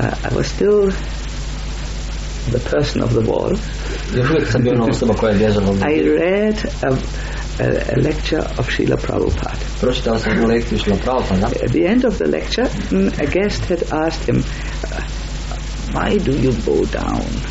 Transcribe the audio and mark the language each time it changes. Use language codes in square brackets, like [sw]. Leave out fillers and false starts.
[en] I was still the person of the wall. [hr] Još uvijek sam bio ona osoba koja je bježala ovdje. [en] I read a lecture of Srila Prabhupada. [hr] Pročitao sam jednu lekciju Srila Prabhupada. [en] At the end of the lecture, a guest had asked him, "Why do you bow down?"